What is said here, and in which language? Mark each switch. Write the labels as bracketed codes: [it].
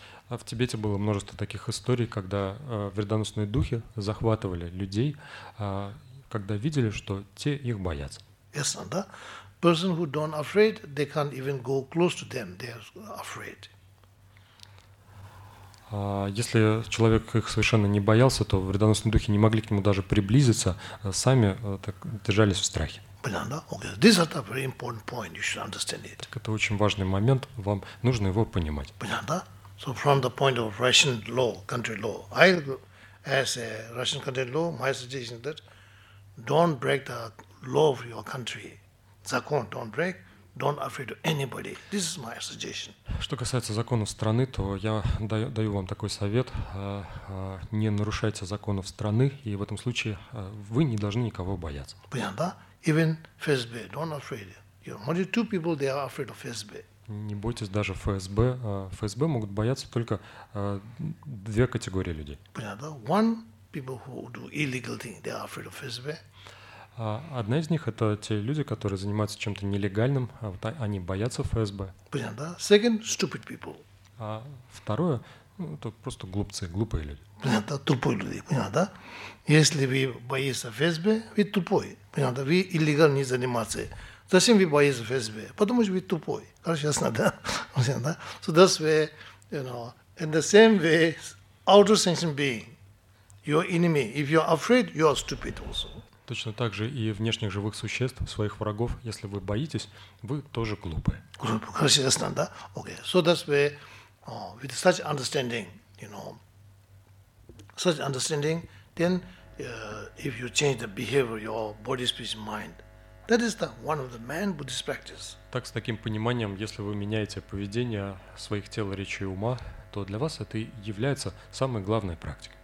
[ru] А в Тибете было множество таких историй, когда вредоносные духи захватывали людей, когда видели, что те их боятся. [en] Yes, да. Person who don't afraid, they can't even go close to them. They are afraid. [ru] Если человек их совершенно не боялся, то вредоносные духи не могли к нему даже приблизиться, сами так держались в страхе. [en] This is a very important point. You should understand it. [ru] Это очень важный момент. Вам нужно его понимать. Понятно? [en] So from the point of Russian law, country law, I, as a Russian country law, my suggestion is that don't break the law of your country. Закон, don't break. Don't afraid of anybody. This is my suggestion. [ru] Что касается законов страны, то я даю вам такой совет: не нарушайте законов страны, и в этом случае вы не должны никого бояться. [en] Понятно? Even FSB, don't afraid. Only two people they are afraid of FSB. [ru] не бойтесь даже ФСБ. ФСБ могут бояться только две категории людей. Понятно. [en] One, people who do illegal things, they are afraid of ФСБ. [ru] Одна из них — это те люди, которые занимаются чем-то нелегальным, вот они боятся ФСБ. [en] Понятно. Second, stupid people. [ru] А второе, ну, это просто глупцы, глупые люди. Понятно, тупые люди, понятно? Если вы боитесь ФСБ, вы тупой, понятно? Вы иллегально не занимаетесь. Зачем вы боитесь ФСБ? Потому что вы тупой. Хорошо, ясно, да? Понятно? [en] So that's where, you know, in the same way, outer sentient being, your enemy, if you're afraid, you are stupid also. [ru] Точно так же и внешних живых существ, своих врагов, если вы боитесь, вы тоже глупые. Глупые, хорошо, ясно, да? [en] Okay, so that's where, with such understanding, you know, such understanding, then if you change the behavior, your body, speech, mind, that is the one of the main Buddhist practice. [ru] Так, с таким пониманием, если вы меняете поведение своих тел, речи и ума, то для вас это и является самой главной практикой.